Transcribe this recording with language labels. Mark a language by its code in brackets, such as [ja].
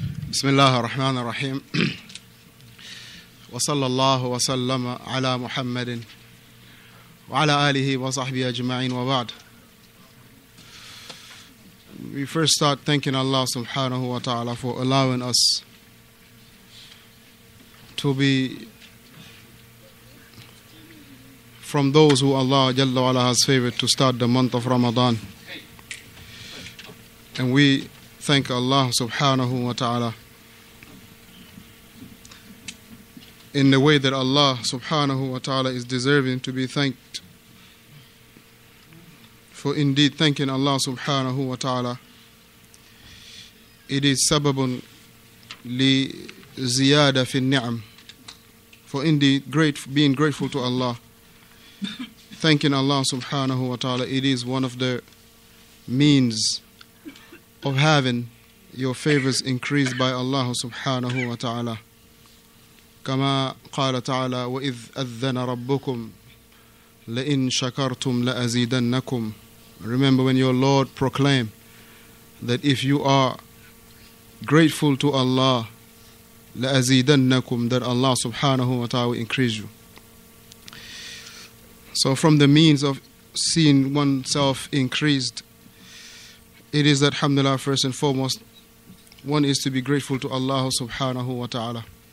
[ar] بسم الله الرحمن الرحيم، وصلى الله وسلم على محمد وعلى آله وصحبه أجمعين وبعد. [en] We first start thanking Allah subhanahu wa ta'ala for allowing us to be from those who Allah jalla wa ala has favored to start the month of Ramadan. And we thank Allah subhanahu wa ta'ala in the way that Allah subhanahu wa ta'ala is deserving to be thanked, for indeed thanking Allah subhanahu wa ta'ala, it is [ar] sababun li ziyada fi ni'am, [en] for indeed being grateful to Allah, thanking Allah subhanahu wa ta'ala, it is one of the means of having your favors increased by Allah subhanahu wa ta'ala. [ar] كما قال تعالى وإذ أذن ربكم لئن شكرتم لأزيدنكم. [en] Remember when your Lord proclaimed that if you are grateful to Allah, لأزيدنكم, that Allah subhanahu wa ta'ala will increase you. So from the means of seeing oneself increased, it is that, alhamdulillah, first and foremost, one is to be grateful to Allah subhanahu wa ta'ala.